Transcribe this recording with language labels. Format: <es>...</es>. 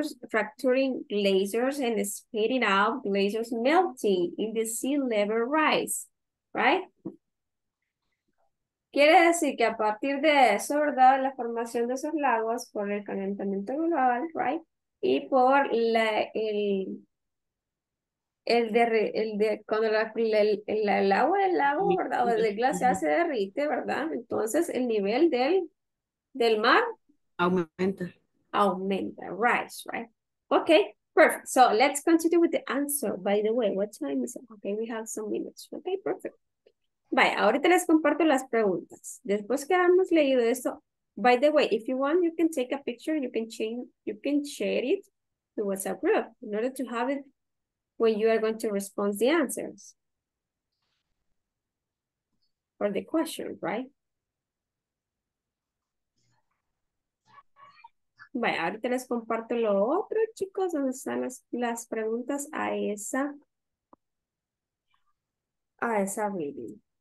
<en>Fracturing glaciers and spitting out glaciers melting in the sea level rise, right?</en> <es>Quiere decir que a partir de eso, ¿verdad? La formación de esos lagos por el calentamiento global, right? Y por la, el agua del lago, ¿verdad? O el glaciar se derrite, ¿verdad? Entonces el nivel del mar aumenta,</es> <en>rise, right? Okay, perfect. So let's continue with the answer. By the way, what time is it? Okay, we have some minutes. Okay, perfect.</en> <es>Vaya, ahorita les comparto las preguntas. Después que hayamos leído esto,</es> <en>by the way, if you want, you can take a picture, you can share it to WhatsApp group in order to have it when you are going to respond the answers or the question, right?</en> <es>Vaya, ahorita les comparto lo otro, chicos, donde están las preguntas a esa reading.</es>